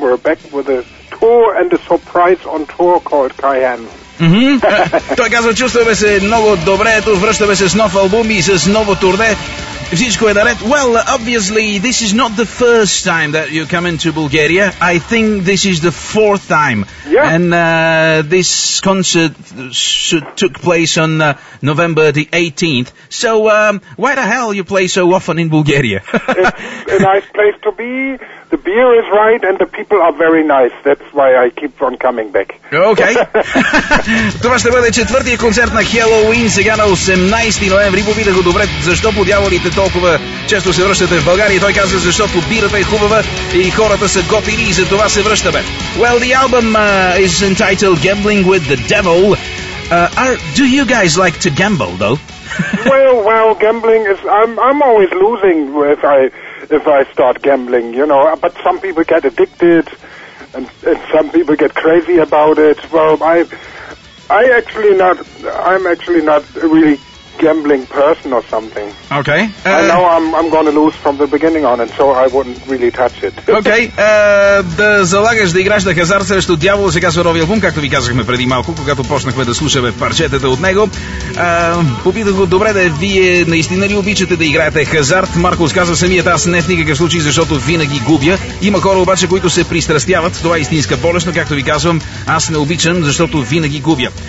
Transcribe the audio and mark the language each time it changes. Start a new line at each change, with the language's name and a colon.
English: We're back with a tour and a surprise on tour called Cayenne.
Bulgarian: Той казва, чувстваме се много добре, тук връщаме се с нов албум и с ново турне. Всичко е наред.
English: Well, obviously, this is not the first time that you come into Bulgaria. I think this is the fourth time. Yeah. And this concert took place on November the 18th. So, why the hell you play so often in Bulgaria? It's a nice place to be. The beer is right and the people are very nice. That's why I keep on coming back. Okay.
Bulgarian: Това ще бъде четвъртия концерт на Halloween сега на 18 ноември. Попитах го, добре, защо по дяволите толкова често се връщате в България? Той каза, защото бирата е хубава и хората са готини и за това се връщаме.
English: Well, the album is entitled Gambling with the Devil. Do you guys like to gamble, though? well, gambling is... I'm always losing if I start gambling, you know, but some people get addicted and some people get crazy about it. Well, I'm actually not a really gambling person or something. Okay. I know I'm going to lose from the beginning on it, so I wouldn't really touch it. Okay.
Bulgarian: Да залагаш да играш на хазарт срещу дявол, сега с новия албум, както ви казахме преди малко, когато почнахме да слушаме парчетата от него. Попитах го, добре, да вие наистина ли обичате да играете хазарт? Маркус каза, самият аз не в никакъв случай, защото винаги губя. Има хора обаче, които се пристрастяват. Това е истинска болест, но както ви казвам, аз не обичам, защото винаги губя.